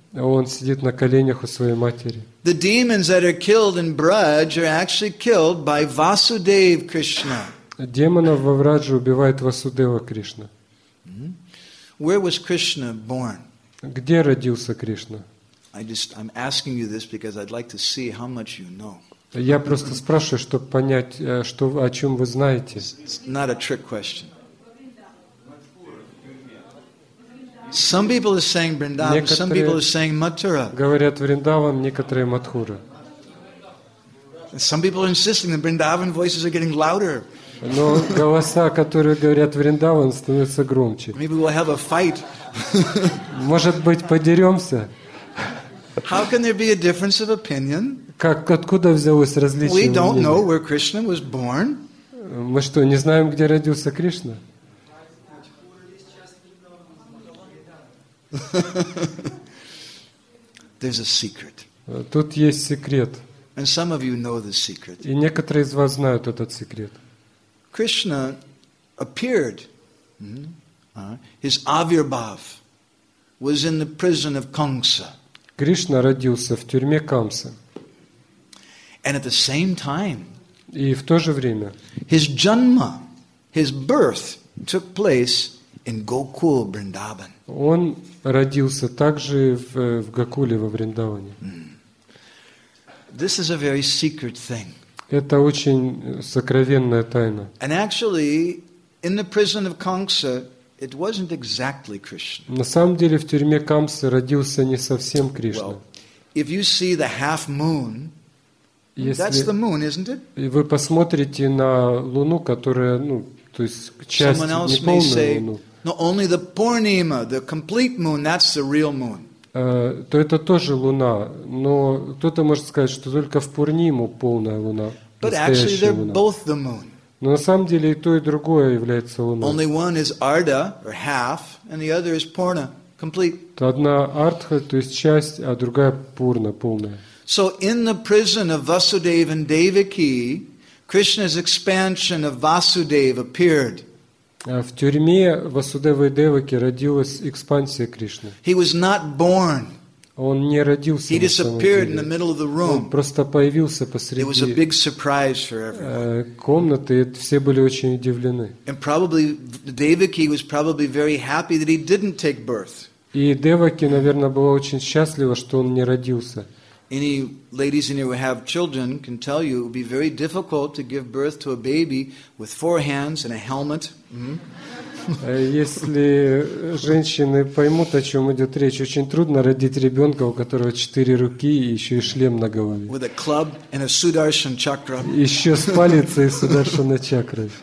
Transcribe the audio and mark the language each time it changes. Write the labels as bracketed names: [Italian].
[Russian] Он сидит на коленях у своей матери. [English] The demons that are killed in Braj are actually killed by Vasudev Krishna. [Russian] Демонов во Врадже убивает Васудева Кришна. [English] Where was Krishna born? [Russian] Где родился Кришна? [English] I'm asking you this because I'd like to see how much you know. [Russian] Я просто спрашиваю, чтобы понять, что о чем вы знаете. [English] It's not a trick question. Some people are saying Vrindavan, some people are saying Mathura. [Russian] Говорят Вриндаван, некоторые Матхура. [English] Some people are insisting that Vrindavan voices are getting louder. [Russian] Но голоса, которые говорят Вриндаван, становятся громче. [English] Maybe we'll have a fight. [Russian] Может быть, подерёмся? [English] How can there be a difference of opinion? [Russian] Как откуда взялось различие? [English] We don't know where Krishna was born. [Russian] Мы что, не знаем, где родился Кришна? [English] There's a secret. [Russian] Тут есть секрет. [English] And some of you know the secret. [Russian] И некоторые из вас знают этот секрет. [English] Krishna appeared. His avirbhav was in the prison of Kamsa. [Russian] Кришна родился в тюрьме Камса. [English] And at the same time, [Russian] и в то же время, [English] his janma, his birth took place in Gokul, Vrindavan. [Russian] Он родился также в Гокуле во Вриндаване. [English] This is a very secret thing. [Russian] Это очень сокровенная тайна. [English] And actually, in the prison of Kamsa, it wasn't exactly Krishna. [Russian] На самом деле в тюрьме Камсы родился не совсем Кришна. [English] Well, if you see the half moon, that's the moon, isn't it? [Russian] И вы посмотрите на луну, которая, ну, то есть часть неполную луну. [English] No, only the Purnima, the complete moon, that's the real moon. [Russian] То это тоже луна, но кто-то может сказать, что только в Пурниму полная луна, настоящая луна. Но на самом деле и то, и другое является луной. [English] Only one is Ardha, or half, and the other is Purna, complete. [Russian] Одна Ардха, то есть часть, а другая Пурна, полная. [English] So in the prison of Vasudeva and Devaki, Krishna's expansion of Vasudeva appeared. [Russian] В тюрьме Васудевы и Деваки родилась экспансия Кришны. [English] He was not born. [Russian] Он не родился. [English] He disappeared in the middle of the room. [Russian] Он просто появился посреди. [English] It was a big surprise for everyone. [Russian] Комнаты, все были очень удивлены. [English] And probably Devaki was probably very happy that he didn't take birth. [Russian] И Деваки, наверное, была очень счастлива, что он не родился. [English] Any ladies in here who have children can tell you it would be very difficult to give birth to a baby with four hands and a helmet. [Russian] Если женщины поймут, о чем идет речь, очень трудно родить ребенка, у которого четыре руки и еще и шлем на голове. [English] With a club and a Sudarshan chakra. [Russian] Еще с палицей и Сударшана чакрой.